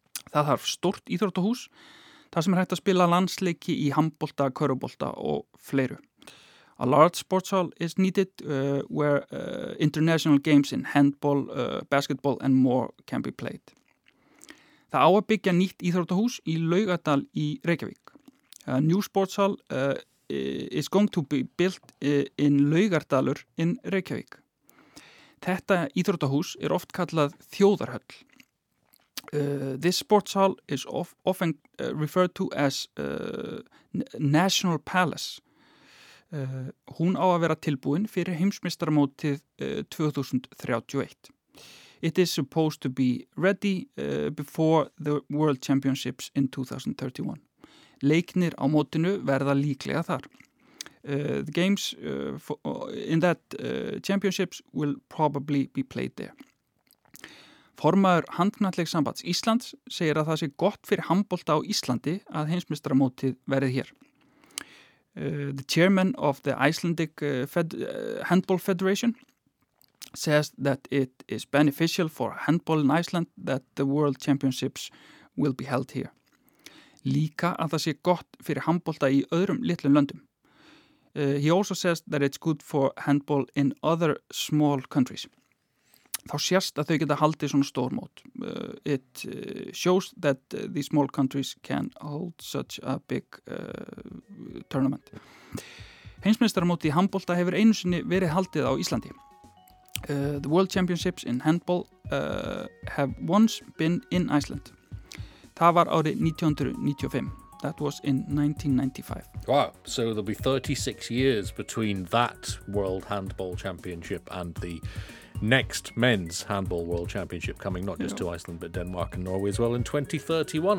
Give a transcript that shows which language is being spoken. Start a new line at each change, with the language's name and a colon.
Icelandic: Það þarf stórt íþróttahús, það sem hægt að spila landsleiki í handbolta, körubolta og fleiru.
English: A large sports hall is needed where international games in handball, basketball and more can be played.
Icelandic: Það á að byggja nýtt íþróttahús í Laugardal í Reykjavík.
English: A new sports hall is going to be built in Laugardalur in Reykjavík.
Icelandic: Þetta íþróttahús oft kallað þjóðarhöll.
English: This sports hall is often referred to as National Palace.
Icelandic: Hún á að vera tilbúin fyrir heimsmeistaramótið 2031.
English: It is supposed to be ready before the World Championships in 2031.
Icelandic: Leiknir á mótinu verða líklega þar.
English: The games in that championships will probably be played there.
Icelandic: Formaður handknattleikssambands Íslands segir að það sé gott fyrir handbolta á Íslandi að heimsmeistaramótið verið hér.
English: The chairman of the Icelandic Handball Federation says that it is beneficial for handball in Iceland that the World Championships will be held here.
Icelandic: Líka að það sé gott fyrir handbolta í öðrum litlum löndum.
English: He also says that it's good for handball in other small countries.
Icelandic: Þá sést að þau geta haldið svona stór mót.
English: It shows that the small countries can hold such a big tournament.
Icelandic: Heimsmeistaramótið í handbolta hefur einu sinni verið haldið á Íslandi.
English: The World Championships in handball have once been in Iceland.
Icelandic: Það var árið 1995.
English: That was in 1995. Wow, so there'll be 36 years between that World Handball Championship and the next men's handball world championship coming not just to Iceland but Denmark and Norway as well in 2031.